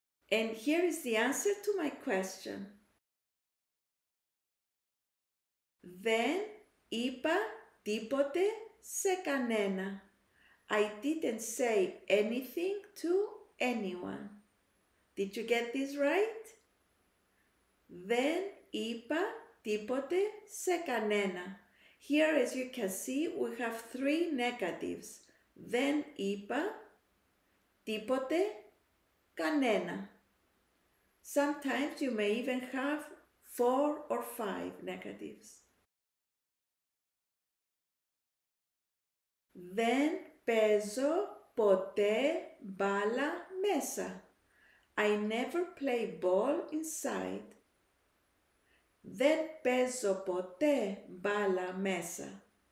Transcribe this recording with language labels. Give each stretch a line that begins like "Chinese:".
English: And here is the answer to my question.
Greek: Δεν είπα τίποτε σε κανένα.
English: I didn't say anything to anyone. Did you get this right?
Greek: Δεν είπα τίποτε σε κανένα.
English: Here, as you can see, we have three negatives.
Greek: Δεν είπα, τίποτε, κανένα.
English: Sometimes you may even have four or five negatives.
Greek: Δεν παίζω ποτέ μπάλα μέσα.
English: I never play ball inside.
Greek: Δεν παίζω ποτέ μπάλα μέσα.